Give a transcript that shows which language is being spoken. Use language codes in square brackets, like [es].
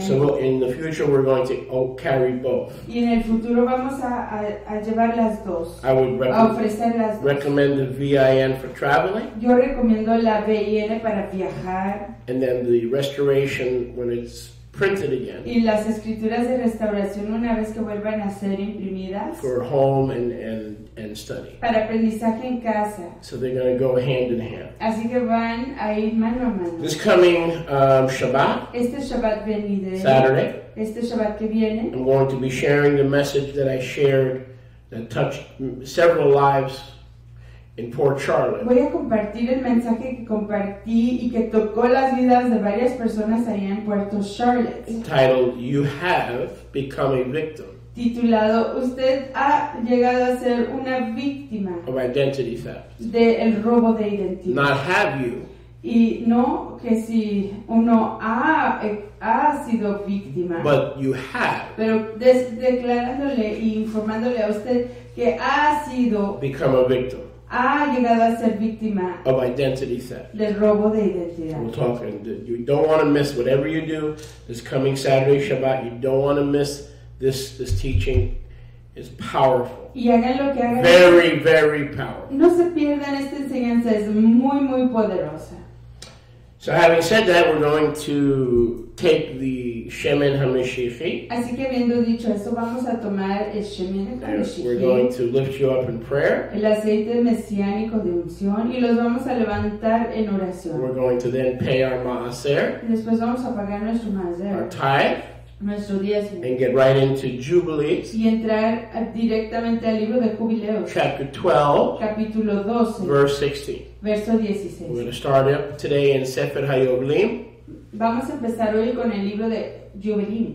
[en] So in the future we're going to carry both. [es] Y en el futuro vamos a llevar las dos. [en] I would recommend the VIN for traveling. [es] Yo recomiendo la VIN para viajar. [en] And then the restoration when it's printed again. [es] Y las escrituras de restauración una vez que vuelvan a ser imprimidas. [en] For home and study. [es] Para aprendizaje en casa. [en] So they're going to go hand in hand. [es] Así que van a ir mano a mano. [en] This coming Shabbat. [es] Este Shabbat venidero. [en] Saturday. [es] Este Shabbat que viene. [en] I'm going to be sharing the message that I shared that touched several lives. In Port Charlotte. [es] Voy a compartir el mensaje que compartí y que tocó las vidas de varias personas allá en Puerto Charlotte. [en] Titled, You Have Become a Victim. [es] Titulado, Usted ha llegado a ser una víctima. [en] Of identity theft. [es] De el robo de identidad. [en] Not have you. [es] Y no que si uno ha sido víctima. [en] But you have. [es] Pero declarándole e informándole a usted que ha sido. [en] Become a victim. [es] Ha llegado a ser víctima [en] of identity theft. [es] Del robo de identidad. [en] We're talking. You don't want to miss whatever you do this coming Saturday Shabbat. You don't want to miss this teaching. It's powerful. [es] Y hagan lo que hagan. [en] Very, very powerful. [es] No se pierdan esta enseñanza. Es muy, muy poderosa. [en] So having said that, we're going to take the Shemen HaMashiachi. [es] Así que habiendo dicho eso, vamos a tomar el Shemen HaMashiachi. [en] We're going to lift you up in prayer. [es] El aceite mesiánico de unción y los vamos a levantar en oración. [en] We're going to then pay our maaser. [es] Después vamos a pagar nuestro maaser. [en] Our tithe. [es] Nuestro diezmo. [en] And get right into Jubilees. [es] Y entrar directamente al libro de Jubileos. [en] Chapter 12. [es] Capítulo 12. [en] Verse 16. [es] Verso 16. [en] We're going to start up today in Sefer HaYoblim. [es] Vamos a empezar hoy con el libro de Jubilees.